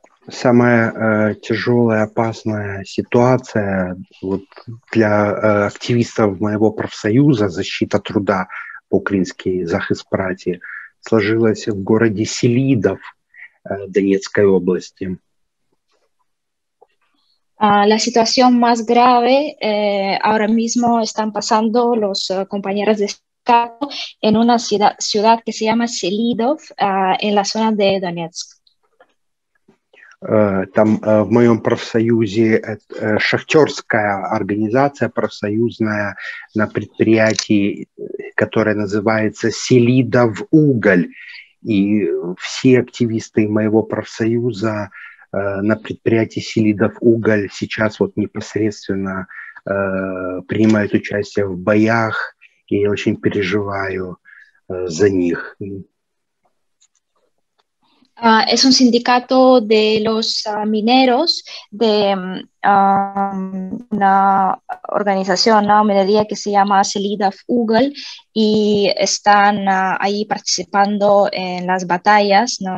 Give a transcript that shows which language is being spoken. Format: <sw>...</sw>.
<ru>Самая тяжелая, опасная ситуация вот, для активистов моего профсоюза «Защита труда» по-украински «Захист праці» сложилось в городе Селидов Донецкой области.</ru> <es>La situación más grave ahora mismo están pasando los compañeros de Estado en una ciudad que se llama Селидов, en la zona de Донецк.</es> <ru>Там в моем профсоюзе шахтерская организация профсоюзная на предприятии, которое называется «Селидов уголь». И все активисты моего профсоюза на предприятии «Селидов уголь» сейчас вот непосредственно принимают участие в боях, и я очень переживаю за них.</ru> <es>Es un sindicato de los mineros de una organización, una minería que se llama Selidov Ugal y están ahí participando en las batallas, ¿no?</es>